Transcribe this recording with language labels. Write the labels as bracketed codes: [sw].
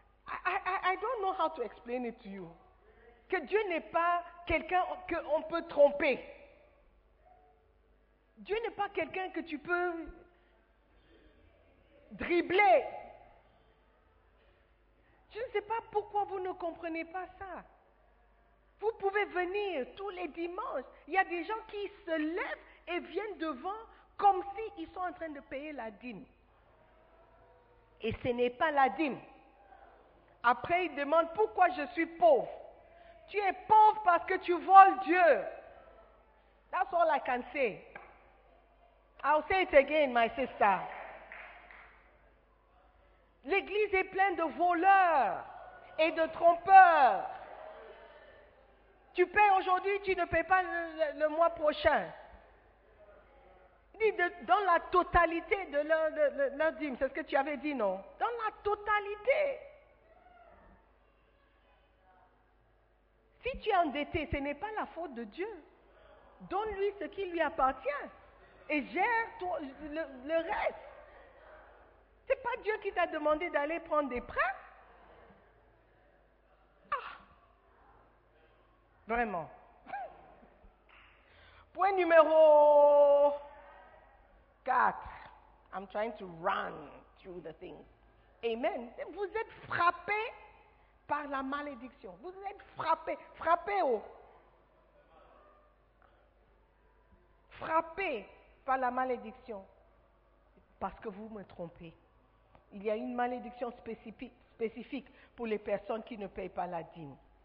[en] I don't know how to explain it to you. [fr] Que Dieu n'est pas quelqu'un qu'on peut tromper. Dieu n'est pas quelqu'un que tu peux dribbler. Je ne sais pas pourquoi vous ne comprenez pas ça. Vous pouvez venir tous les dimanches. Il y a des gens qui se lèvent et viennent devant comme s'ils sont en train de payer la dîme. Et ce n'est pas la dîme. Après, ils demandent pourquoi je suis pauvre. Tu es pauvre parce que tu voles Dieu. [en] That's all I can say. I'll say it again, my sister. [fr] L'église est pleine de voleurs et de trompeurs. Tu paies aujourd'hui, tu ne paies pas le mois prochain. Dans la totalité de leur dîme, c'est ce que tu avais dit, non? Dans la totalité. Si tu es endetté, ce n'est pas la faute de Dieu. Donne-lui ce qui lui appartient et gère toi, le reste. Ce n'est pas Dieu qui t'a demandé d'aller prendre des prêts. Ah. Vraiment. Point numéro 4. [en] I'm trying to run through the thing. Amen. [fr] Vous êtes frappé par la malédiction. Vous êtes frappé. Frappé au. Frappé par la malédiction. Parce que vous me trompez. Il y a une malédiction spécifique pour les personnes qui ne payent pas la dîme.